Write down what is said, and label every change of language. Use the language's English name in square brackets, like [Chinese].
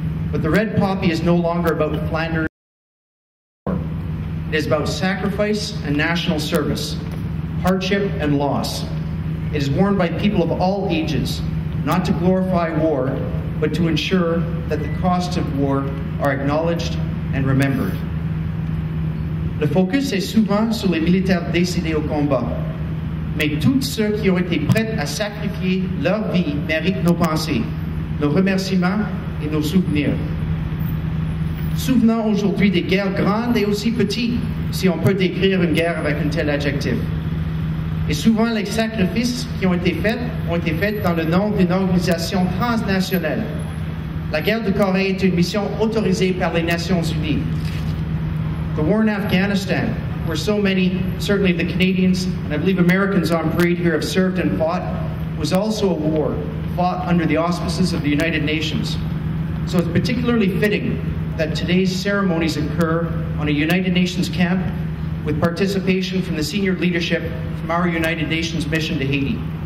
[English] But the red poppy is no longer about Flanders. It is about sacrifice and national service, hardship and loss. It is worn by people of all ages, not to glorify war, but to ensure that the costs of war are acknowledged and remembered. [French] Le focus est souvent sur les militaires décédés au combat, mais tous ceux qui ont été prêts à sacrifier leur vie méritent nos pensées, nos remerciements et nos souvenirs. Souvenons aujourd'hui des guerres grandes et aussi petites, si on peut décrire une guerre avec un tel adjectif. Et souvent, les sacrifices qui ont été faits dans le nom d'une organisation transnationale. La guerre de Corée est une mission autorisée par les Nations Unies. [English] The war in Afghanistan, where so many, certainly the Canadians, and I believe Americans on parade here have served and fought, was also a war fought under the auspices of the United Nations. So it's particularly fitting that today's ceremonies occur on a United Nations camp with participation from the senior leadership from our United Nations mission to Haiti.